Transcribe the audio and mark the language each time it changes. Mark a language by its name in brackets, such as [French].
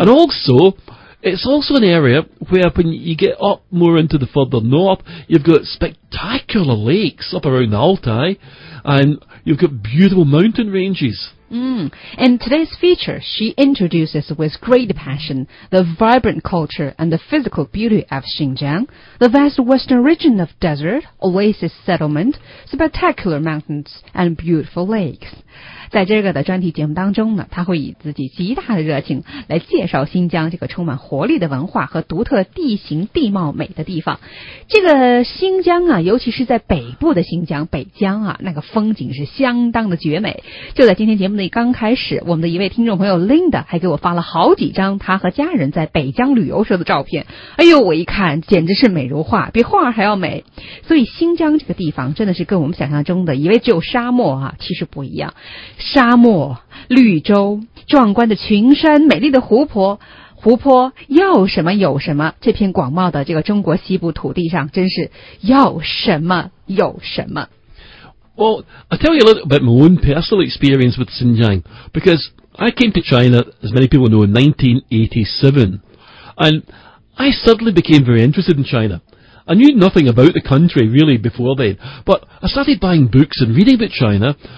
[English] And also, it's also an area where when you get up more into the further north, you've got spectacular lakes up around the Altai, and you've got beautiful mountain ranges. Mm. And today's feature, she introduces with great passion the vibrant culture and the physical beauty of Xinjiang, the vast western region of desert, oasis settlement, spectacular mountains, and beautiful lakes. [Chinese] 在这个的专题节目当中呢，他会以自己极大的热情来介绍新疆这个充满活力的文化和独特地形地貌美的地方。这个新疆啊，尤其是在北部的新疆北疆啊，那个风景是相当的绝美。就在今天节目的刚开始，我们的一位听众朋友 Linda 还给我发了好几张他和家人在北疆旅游时的照片。哎呦，我一看简直是美如画，比画还要美。所以新疆这个地方真的是跟我们想象中的以为只有沙漠啊，其实不一样。沙漠、绿洲、壮观的群山、美丽的湖泊，要什么有什么。这片广袤的这个中国西部土地上，真是要什么有什么。 [English] Well, I'll tell you a little bit my own personal experience with Xinjiang, because I came to China, as many people know, in 1987, and I suddenly became very interested in China. I knew nothing about the country really before then, but I started buying books and reading about China.